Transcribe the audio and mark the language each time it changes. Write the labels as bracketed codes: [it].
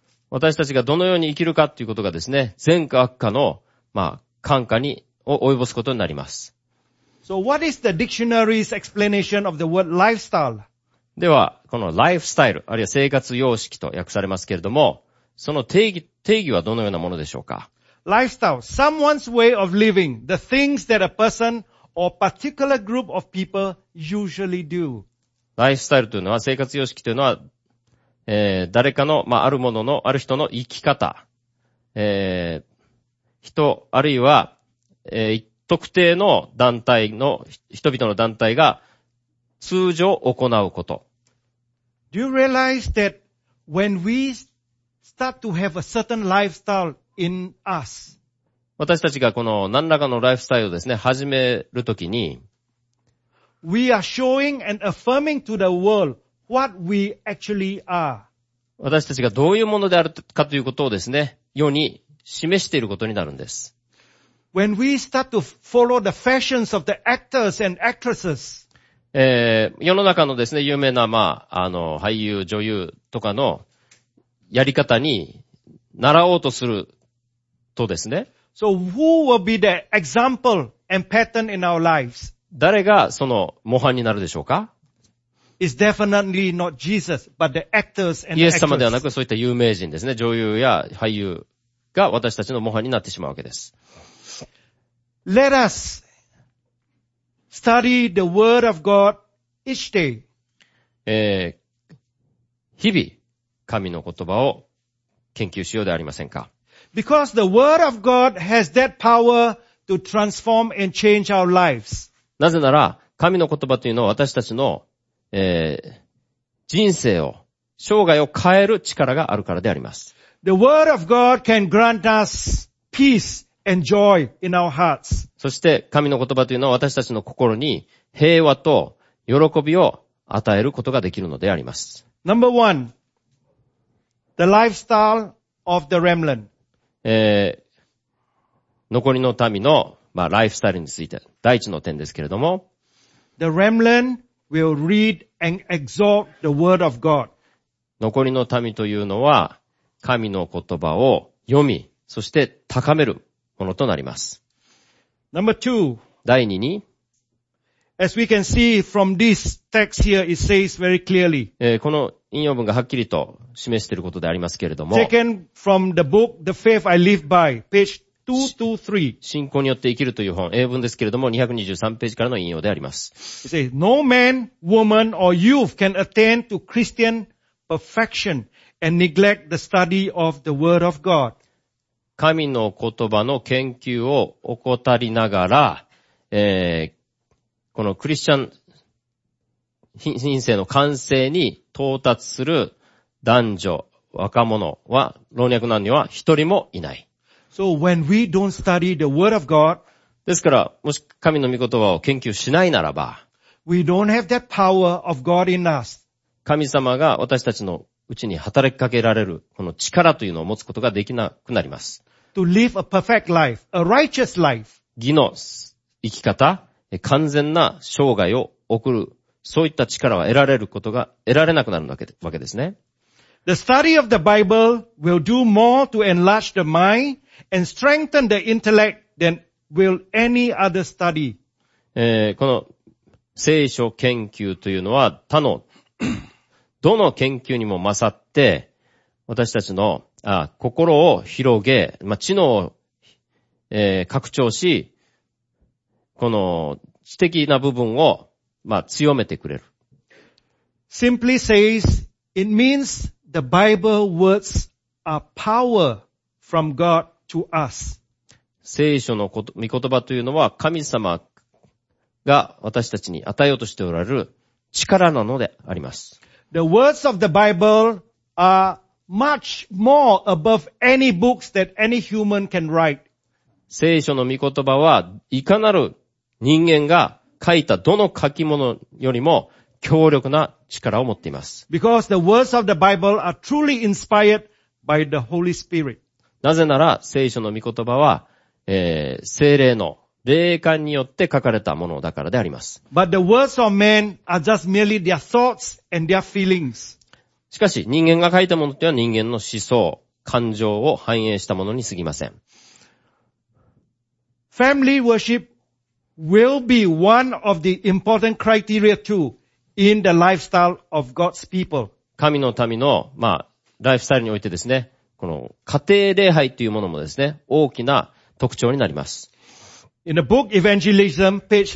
[ja] 私たちがどのように生きるかということがですね、善か悪かの、まあ、感化に及ぼすことになります。 [en] So what is the dictionary's explanation of the word lifestyle? [ja] では、このlifestyle、あるいは生活様式と訳されますけれども、その定義はどのようなものでしょうか? [en] Lifestyle, someone's way of living, the things that a person or particular group of people usually do. [ja] Lifestyle というのは、生活様式というのは、誰かの、まあ、あるものの、ある人の生き方、人、あるいは、特定の団体の人々の団体が通常行うこと。 [en] Do you realize that when we start to have a certain lifestyle in us? [ja] 私たちがこの何らかのライフスタイルをですね、始めるときに、 [en] We are showing and affirming to the world what we actually are. [ja] 私たちがどういうものであるかということをですね、世に示していることになるんです。 [en] When we start to follow the fashions of the actors and actresses, [ja] 世の中のですね、有名な、まあ、俳優、女優とかのやり方に習おうとするとですね。 [en] So who will be the example and pattern in our lives? [ja] 誰がその模範になるでしょうか? [en] It's definitely not Jesus, but the actors and actresses. [ja] イエス様ではなく、そういった有名人ですね、女優や俳優が私たちの模範になってしまうわけです。 [en] Let us study the word of God each day. [ja] 日々神の言葉を研究しようではありませんか? [en] Because the word of God has that power to transform and change our lives. [ja] なぜなら神の言葉というのは私たちの、人生を、生涯を変える力があるからであります。 [en] The word of God can grant us peace. And joy in our hearts. [ja] そして神の言葉というのは私たちの心に平和と喜びを与えることができるのであります。 [en] Number one, the lifestyle of the remnant. [ja] 残りの民の、まあ、ライフスタイルについて、第一の点ですけれども、 [en] the remnant will read and exalt the word of God. [ja] 残りの民というのは、神の言葉を読み、そして高めるものとなります。 [en] Number two. [ja] 第二に、 [en] as we can see from this text here, it says very clearly. [ja] この引用文がはっきりと示していることでありますけれども、 [en] taken from the book, The Faith I Live By, page 223. [ja] 信仰によって生きるという本、英文ですけれども、223ページからの引用であります。 [en] It says, no man, woman, or youth can attain to Christian perfection and neglect the study of the Word of God. [ja] 神の言葉の研究を怠りながら、このクリスチャン人生の完成に到達する男女、若者は、老若男女は一人もいない。 [en] So when we don't study the word of God, [ja] ですから、もし神の御言葉を研究しないならば、 [en] we don't have that power of God in us. [ja] 神様が私たちのうちに働きかけられるこの力というのを持つことができなくなります。 [en] To live a perfect life, a righteous life. [ja] 義の生き方、完全な生涯を送る、そういった力は得られることが、得られなくなるわけですね。 [en] The study of the Bible will do more to enlarge the mind and strengthen the intellect than will any other study. [ja] この聖書研究というのは他の、どの研究にも勝って、私たちの心を広げ、まあ、知能を、拡張し、この知的な部分を、まあ、強めてくれる。 [en] Simply says, it means the Bible words are power from God to us. [ja] 聖書の御言葉というのは神様が私たちに与えようとしておられる力なのであります。 [en] The words of the Bible are much more above any books that any human can write. [ja] 聖書の御言葉はいかなる人間が書いたどの書き物よりも強力な力を持っています。 [en] Because the words of the Bible are truly inspired by the Holy Spirit. [ja] なぜなら聖書の御言葉は、聖霊の霊感によって書かれたものだからであります。 [en] But the words of men are just merely their thoughts and their feelings. [ja] しかし人間が書いたものというのは人間の思想、感情を反映したものに過ぎません。 [en] Family worship will be one of the important criteria too. In the lifestyle of God's people. [ja] 神の民の、まあ、ライフスタイルにおいてですね、この家庭礼拝というものもですね、大きな特徴になります。 [en] In the book Evangelism, page